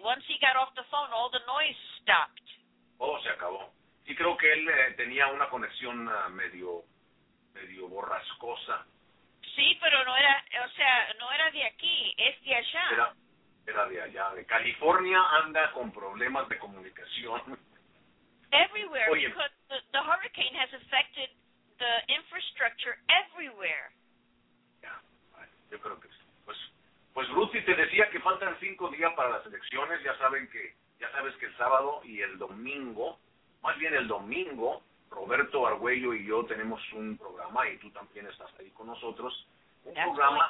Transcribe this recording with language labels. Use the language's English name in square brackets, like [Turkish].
[English] Once he got off the phone, all the noise stopped. [Spanish] Oh, se acabó. Sí, creo que él tenía una conexión medio borrascosa. Sí, pero no era de aquí, es de allá. Era de allá. De California anda con problemas de comunicación. [English] Everywhere. Oye, because the hurricane has affected the infrastructure everywhere. [Spanish] Ya, yo creo que sí. Pues Ruthie, te decía que faltan 5 días para las elecciones. Ya sabes que el sábado y el domingo, más bien el domingo, Roberto Argüello y yo tenemos un programa, y tú también estás ahí con nosotros, un [English] That's [Spanish] programa